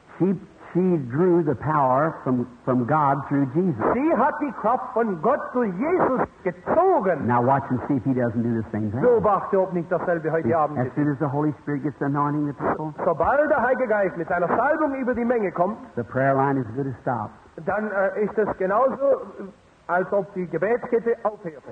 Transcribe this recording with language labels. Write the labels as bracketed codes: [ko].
[en] She drew the power from God through Jesus. [de] Sie hat die Kraft von Gott durch Jesus gezogen. [en] Now watch and see if he doesn't do the same thing. [de] Beobachte, ob nicht dasselbe heute Abend. [en] As soon as the Holy Spirit gets anointing the people, [de] sobald der Heilige Geist mit seiner Salbung über die Menge kommt, [en] the prayer line is going to stop. [de] Dann ist es genauso, als ob die Gebetskette aufhört.